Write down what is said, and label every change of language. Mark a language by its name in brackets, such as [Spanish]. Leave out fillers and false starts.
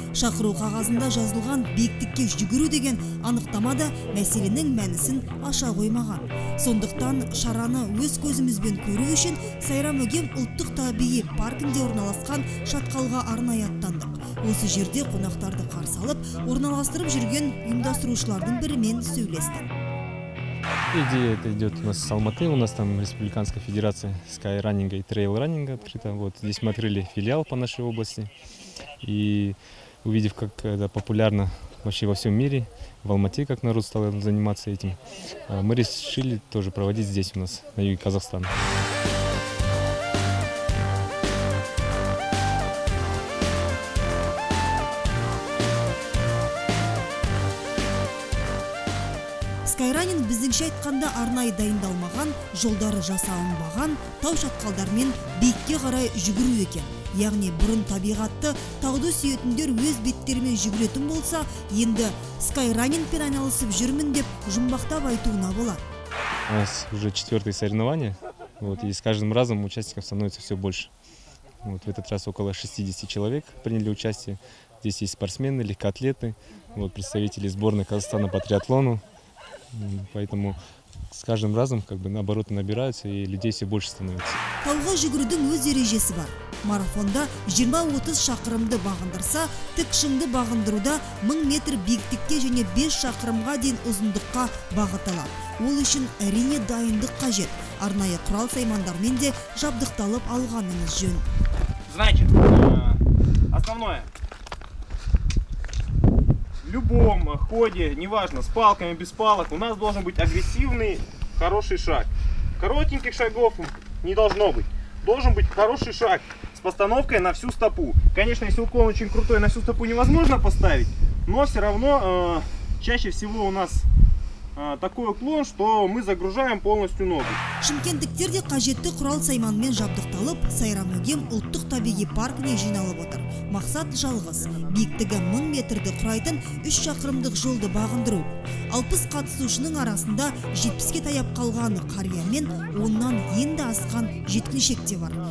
[Kazakh] Шақыру қағазында жазылған биіктікке жүгіру деген анықтама да мәселенің мәнісін аша қоймаған. Сондықтан шараны өз көзімізбен көру үшін Сайрам-Өгем ұлттық табиғи паркінде орналасқан шатқалға арнайы аттандық. Осы жерде қонақтарды қарсы алып, орналастырып жүрген ұйымдастырушылардың бірімен сөйлестім. [Russian] Идея это идет у нас с Алматы, у нас там Республиканская Федерация скайранинга и трейл-раннинга открыта. Вот здесь мы открыли филиал по нашей области. И увидев, как это популярно вообще во всем мире, в Алмате, как народ стал заниматься этим, мы решили тоже проводить здесь у нас, на юге Казахстана. [Kazakh] Скайранинг біздіңше айтқанда арнай дайындалмаған, жолдары жасалынбаған, тау шатқалдармен бейікке қарай жүгіру екен. Яғни бұрын табиғатты тауды сүйетіндер өз беттерімен жүгіретін болса, енді скайранингпен айналысып жүрмін деп жұмбақтап айтуына бола. [Russian] У нас уже четвертое соревнование, вот, и с каждым разом участников становится все больше. Вот в этот раз около 60 человек приняли участие. Здесь есть спортсмены, легкоатлеты, вот, представители сборной Казахстана по триатлону. Поэтому с каждым разом как бы наоборот набираются и людей все больше становится. [Kazakh] Тауға жүгірудің өз ережесі бар. Марафонда 20-30 шақырымды бағындырса, тікшіңді бағындыруда 1000 метр биіктікке және 5 шақырымға дейін ұзындыққа бағытылады. Ол үшін әрине дайындық қажет. Арнайы құрал саймандармен де жабдықталып алғаныңыз жөн. [Russian] Значит, основное. В любом ходе, неважно, с палками, без палок, у нас должен быть агрессивный, хороший шаг. Коротеньких шагов не должно быть. Должен быть хороший шаг с постановкой на всю стопу. Конечно, если уклон очень крутой, на всю стопу невозможно поставить, но все равно чаще всего у нас такой уклон, что мы загружаем полностью ногу. [Kazakh] Шымкенттіктер де қажетті құрал сайманмен жабдықталып, Сайрам-Өгем ұлттық табиғи паркіне жиналып отыр. Мақсат жалғыз, биіктігі 1000 метрді құрайтын 3 шақырымдық жолды бағындыру. 60 қатысушының арасында 70-ке таяп қалғаны қария мен оннан енді асқан жеткіншек те бар.